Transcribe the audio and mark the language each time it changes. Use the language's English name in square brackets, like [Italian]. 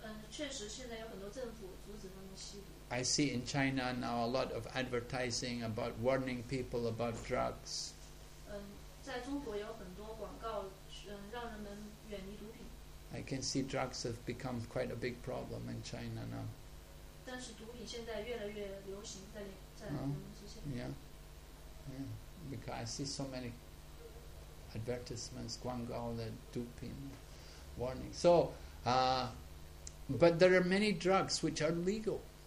[Chinese] 确实现在有很多政府阻止他们吸毒。 [English] I see in China now a lot of advertising about warning people about drugs. [Chinese] 在中国有很多广告让人们远离毒品。 [English] I can see drugs have become quite a big problem in China now. [Chinese] 但是毒品现在越来越流行在我们之前。 [English] Yeah. Yeah. Because I see so many advertisements, Guangao, the doping warning. So, but there are many drugs which are legal.